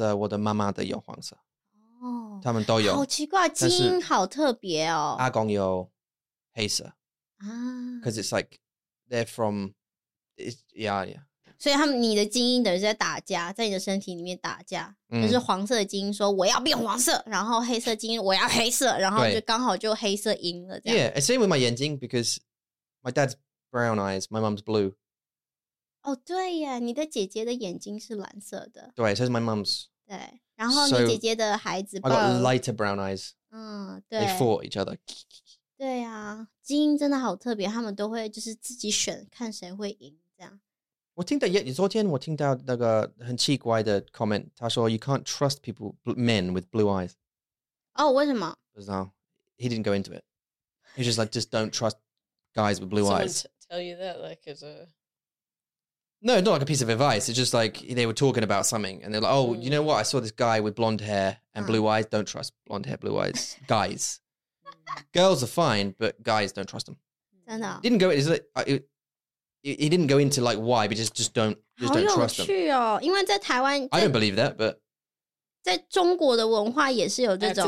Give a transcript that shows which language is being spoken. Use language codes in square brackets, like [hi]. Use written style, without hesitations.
[en] My grandma's has white, my grandma's has white. Oh. They all have. So strange, the gene is so special. My grandma has white. Because it's like, they're from, yeah. So your gene is like fighting, in your body fighting. [zh] 就是黄色的基因说我要变黄色，然后黑色基因我要黑色，然后就刚好就黑色赢了这样。 [en] Yeah, same with my 眼睛 because my dad's brown eyes, my mom's blue. [zh] 哦，对耶，你的姐姐的眼睛是蓝色的。对，所以是 [en] my mom's. [zh] 对，然后你姐姐的孩子。 [en] I got lighter brown eyes. [zh] 对。 [en] They fought each other. [zh] 对啊，基因真的好特别，他们都会就是自己选看谁会赢。我听到昨天我听到那个很奇怪的 comment, 他说 [en] you can't trust people, men with blue eyes. [zh] 哦、oh, 为什么 [en] He didn't go into it. He's just like, just don't trust guys with blue Someone eyes. Tell you that like as a... No, not like a piece of advice. It's just like they were talking about something and they're like, oh, you know what? I saw this guy with blonde hair and blue eyes. Don't trust blonde hair, blue eyes. Guys. Girls are fine, but guys don't trust them. [zh] 真的 [en] Didn't go into it. He didn't go into like why, but just don't trust them. [zh] 好有趣哦，因为在台湾 [en] I don't believe that, but [zh] 在中国的文化也是有这种